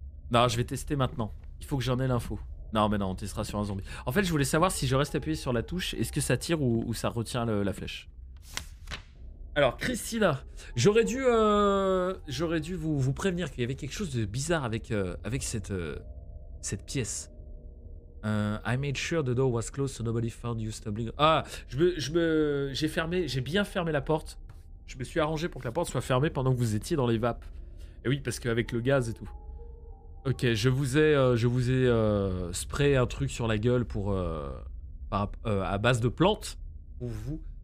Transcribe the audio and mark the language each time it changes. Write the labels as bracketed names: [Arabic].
[French] Non, je vais tester maintenant. Il faut que j'en ai l'info. Non mais non, on testera sur un zombie. En fait, je voulais savoir si je reste appuyé sur la touche, est-ce que ça tire ou ça retient la flèche? Alors, Christina, j'aurais dû vous prévenir qu'il y avait quelque chose de bizarre avec cette pièce. [English] I made sure the door was closed so nobody found you stumbling. [French] Ah, j'ai bien fermé la porte. Je me suis arrangé pour que la porte soit fermée pendant que vous étiez dans les vapes. Et oui, parce qu'avec le gaz et tout. Ok, je vous ai spray un truc sur la gueule à base de plantes pour vous.